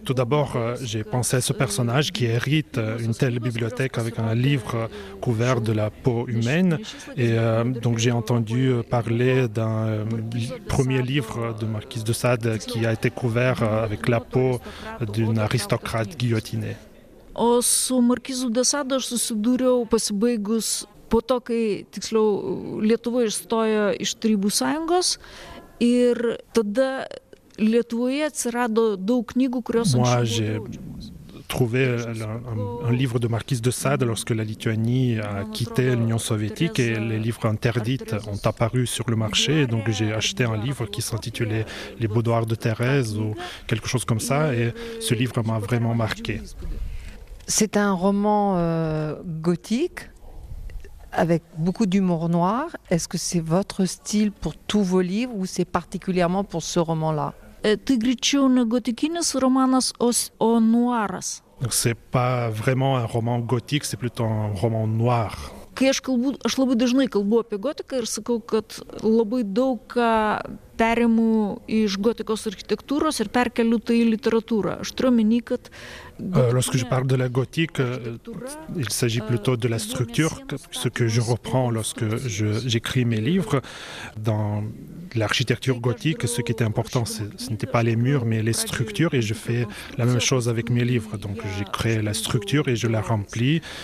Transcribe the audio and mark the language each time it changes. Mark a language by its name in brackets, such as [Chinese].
[French] tout d'abord, j'ai pensé à ce personnage qui hérite une telle bibliothèque avec un livre couvert de la peau humaine. Et donc j'ai entendu parler d'un premier livre de Marquise de Sade qui a été couvert avec la peau d'une aristocrate guillotinée. [Lithuanian] O su Marquise de Sade, aš susidūriau pasibaigus po to, kai tiksliau Lietuva išstojo iš Tarybų sąjungos ir tada Lietuvoje atsirado daug knygų, kurios anksčiau buvo [French] trouver un livre de Marquise de Sade lorsque la Lituanie a quitté l'Union soviétique et les livres interdits ont apparu sur le marché. Donc j'ai acheté un livre qui s'intitulait « Les boudoirs de Thérèse » ou quelque chose comme ça et ce livre m'a vraiment marqué. C'est un roman gothique avec beaucoup d'humour noir. Est-ce que c'est votre style pour tous vos livres ou c'est particulièrement pour ce roman-là ? [Lithuanian] Tai greičiau ne gotikinis romanas, o noiras. [French] C'est pas vraiment un roman gothique, c'est plutôt un roman noir. [Lithuanian] Kai aš labai dažnai kalbu apie gotiką ir sakau, kad labai daug ką perimu iš gotikos architektūros ir perkeliu tai į literatūrą. Aš turiu omeny, kad [French] Lorsque je parle de la gothique, il s'agit plutôt de la structure, ce que je reprends lorsque j'écris mes livres. Dans l'architecture gothique, ce qui était important, ce n'était pas les murs, mais les structures. Et je fais la même chose avec mes livres. Donc j'ai créé la structure et je la remplis.